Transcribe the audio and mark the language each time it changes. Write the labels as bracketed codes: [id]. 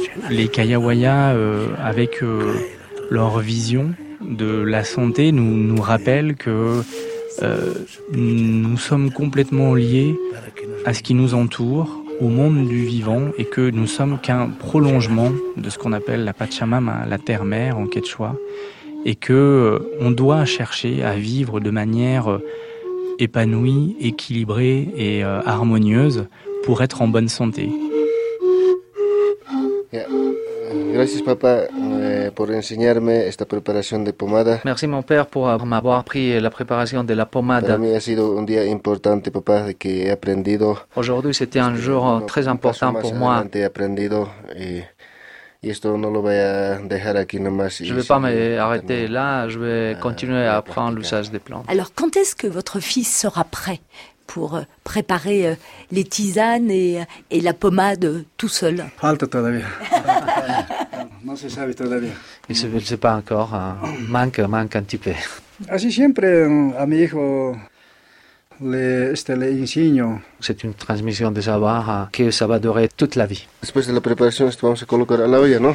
[fr] Les Kayawaya, avec leur vision de la santé, nous rappellent que nous sommes complètement liés à ce qui nous entoure, au monde du vivant, et que nous sommes qu'un prolongement de ce qu'on appelle la Pachamama, la terre-mère en quechua, et que on doit chercher à vivre de manière épanouie, équilibrée et harmonieuse pour être en bonne santé. [en] Yeah. [es] Gracias, papa, por enseñarme esta preparación de pomada. [fr] Merci mon père pour m'avoir appris la préparation de la pomade. [es] Para mí ha sido un día importante, papá, de que he aprendido. [fr] Aujourd'hui c'était un jour très important pour moi. [es] He aprendido y esto no lo voy a dejar aquí nomás. [fr] Je vais pas m'arrêter là, je vais continuer à apprendre l'usage des plantes. Alors quand est-ce que votre fils sera prêt pour préparer les tisanes et la pommade tout seul? [es] Falta todavía. No se sabe todavía. [fr] Il ne sait pas encore. Manque un petit peu. [es] Así siempre a mi hijo le enseño. [fr] C'est une transmission de savoir que ça va durer toute la vie. [es] Después de la preparación, esto vamos a colocar a la olla, ¿no?